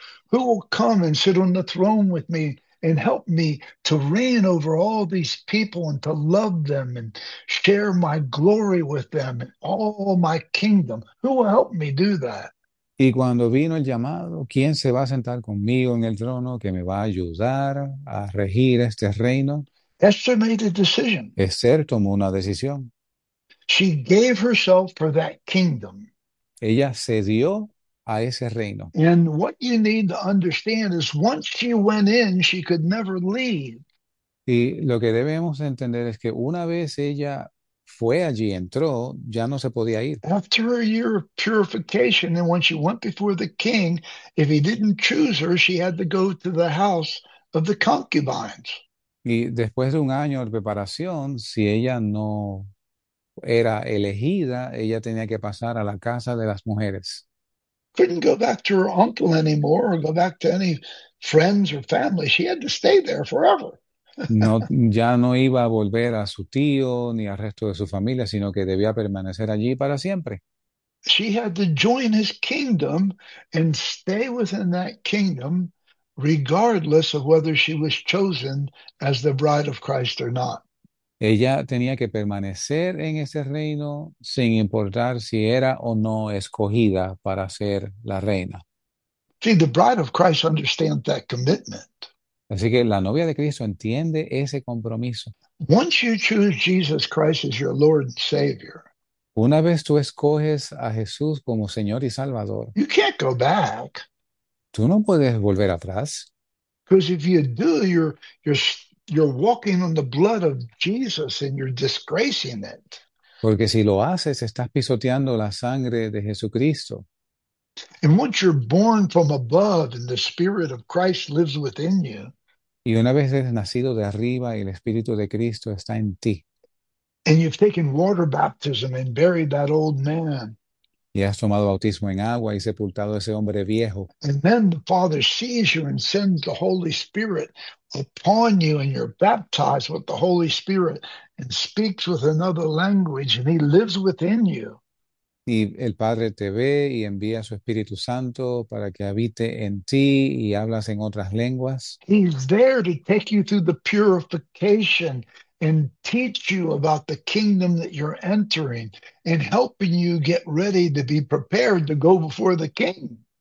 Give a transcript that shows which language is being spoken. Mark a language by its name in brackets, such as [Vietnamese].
[English] Who will come and sit on the throne with me and help me to reign over all these people and to love them and share my glory with them and all my kingdom? Who will help me do that? [Spanish] Y cuando vino el llamado, ¿quién se va a sentar conmigo en el trono que me va a ayudar a regir este reino? [English] Esther made a decision. [Spanish] Esther tomó una decisión. [English] She gave herself for that kingdom. [Spanish] Ella cedió a ese reino. [English] And what you need to understand is once she went in, she could never leave. [Spanish] Y lo que debemos entender es que una vez ella fue allí, entró, ya no se podía ir. [English] After a year of purification, and when she went before the king, if he didn't choose her, she had to go to the house of the concubines. [Spanish] Y después de un año de preparación, si ella no era elegida, ella tenía que pasar a la casa de las mujeres. [English] Couldn't go back to her uncle anymore or go back to any friends or family. She had to stay there forever. [Spanish] No, ya no iba a volver a su tío ni al resto de su familia, sino que debía permanecer allí para siempre. [English] She had to join his kingdom and stay within that kingdom, regardless of whether she was chosen as the bride of Christ or not. [Spanish] Ella tenía que permanecer en ese reino sin importar si era o no escogida para ser la reina. [English] See, the bride of Christ understands that commitment. [Spanish] Así que la novia de Cristo entiende ese compromiso. [English] Once you choose Jesus Christ as your Lord and Savior, [Spanish] Una vez tú escoges a Jesús como Señor y Salvador, [English] you can't go back. [Spanish] tú no puedes volver atrás. [English] Because if you do, you're walking on the blood of Jesus and you're disgracing it. [Spanish] Porque si lo haces, estás pisoteando la sangre de Jesucristo. [English] And once you're born from above and the Spirit of Christ lives within you, [Spanish] Y una vez eres nacido de arriba y el Espíritu de Cristo está en ti. [English] and you've taken water baptism and buried that old man, [Spanish] Y has tomado bautismo en agua y sepultado a ese hombre viejo. [English] and then the Father sees you and sends the Holy Spirit upon you, and you're baptized with the Holy Spirit and speaks with another language, and He lives within you. [Spanish] Y el Padre te ve y envía su Espíritu Santo para que habite en ti y hablas en otras lenguas. [English] He's there to take you through the purification and teach you about the kingdom that you're entering and helping you get ready to be prepared to go before the king.